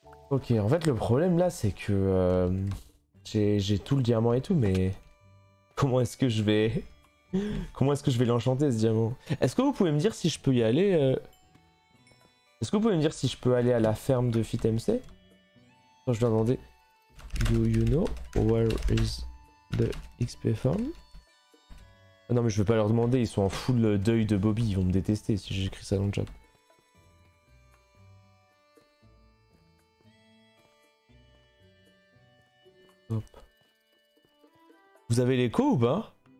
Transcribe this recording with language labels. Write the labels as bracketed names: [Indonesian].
[French] Ok, en fait le problème là c'est que j'ai tout le diamant et tout, mais Comment est-ce que je vais l'enchanter ce diamant? Est-ce que vous pouvez me dire si je peux y aller Est-ce que vous pouvez me dire si je peux aller à la ferme de FitMC? Je dois demander. [English] Do you know where is the XP farm? [French] Ah non mais je vais pas leur demander, ils sont en full deuil de Bobby, ils vont me détester si j'écris ça dans le chat. Hop. Vous avez l'écho ou pas?